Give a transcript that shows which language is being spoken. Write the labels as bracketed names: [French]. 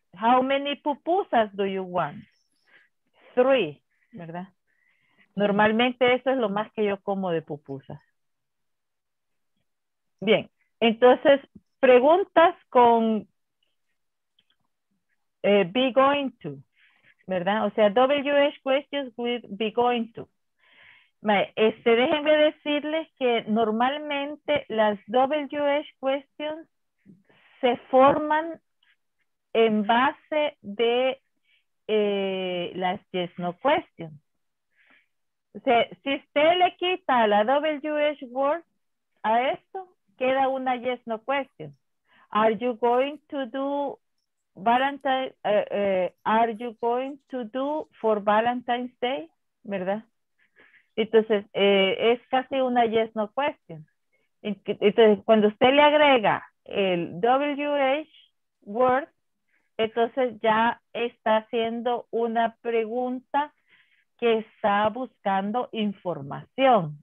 [English] How many pupusas do you want? 3, [Spanish] ¿verdad? Normalmente eso es lo más que yo como de pupusas. Bien, entonces preguntas con [English] be going to, [Spanish] ¿verdad? O sea, [English] WH questions with be going to. [Spanish] Déjenme decirles que normalmente las WH questions se forman en base de las [English] yes no questions. [Spanish] O sea, si usted le quita la WH word a esto, queda una [English] yes no question. Are you going to do are you going to do for Valentine's Day? [Spanish] ¿Verdad? Entonces, es casi una [English] yes no question. [Spanish] Entonces, cuando usted le agrega el [English] WH word, [Spanish] entonces ya está haciendo una pregunta que está buscando información.